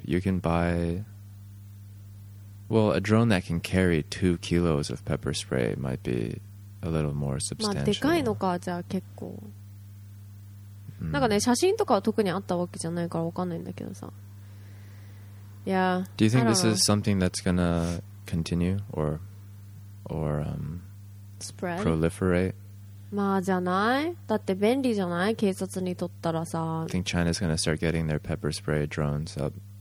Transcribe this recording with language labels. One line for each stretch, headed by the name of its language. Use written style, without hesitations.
English: You can buy, well, a drone that can carry 2 kilos of pepper spray might be a little more substantial.
Japanese: まあ、でかいのか、じゃあ結構。なんかね、写真とかは特にあったわけじゃないからわかんないんだけどさ。
English: Yeah. Do you think this is something that's gonna continue or spread? Proliferate?
Japanese: まあじゃない。だって便利じゃない？警察にとったらさ。
English: I think China's gonna start getting their pepper spray drones up.